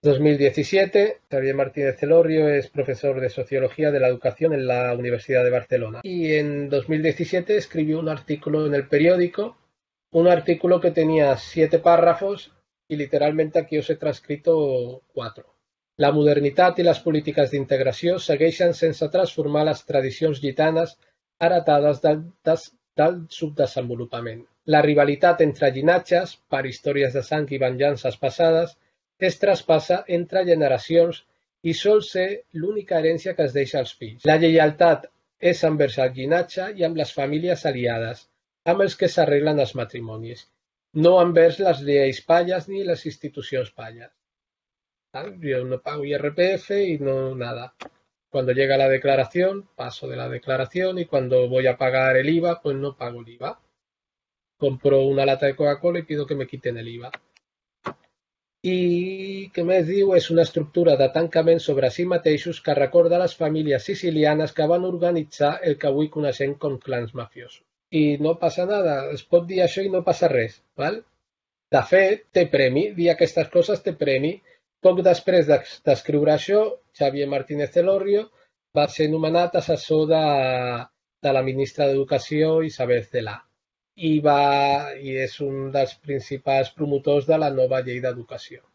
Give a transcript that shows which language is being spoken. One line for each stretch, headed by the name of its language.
Spanish: 2017, Xavier Martínez Celorrio es profesor de Sociología de la Educación en la Universidad de Barcelona. Y en 2017 escribió un artículo en el periódico, un artículo que tenía 7 párrafos y literalmente aquí os he transcrito 4.
Catalan: La modernitat i les polítiques d'integració segueixen sense transformar les tradicions gitanes heretades del subdesenvolupament. La rivalitat entre llinatges, per històries de sang i venjances passades, es traspassa entre generacions i sol ser l'única herència que es deixa als fills. La lleialtat és envers el llinatge i amb les famílies aliades, amb els que s'arreglen els matrimonis, no envers les lleis payes ni les institucions payes.
Spanish: Yo no pago IRPF y no nada. Cuando llega la declaración, paso de la declaración y cuando voy a pagar el IVA, pues no pago el IVA. Compro una lata de Coca-Cola y pido que me quiten el IVA.
Catalan: I què més diu? És una estructura de tancament sobre si mateixos que recorda les famílies sicilianes que van organitzar el que avui coneixem com clans mafiosos. I no passa nada, es pot dir això i no passa res, val? De fet, té premi, dir aquestes coses té premi. Poc després d'escriure això, Xavier Martínez Celorrio va ser nomenat assessor de la ministra d'Educació, Isabel Celà, i és un dels principals promotors de la nova llei d'educació.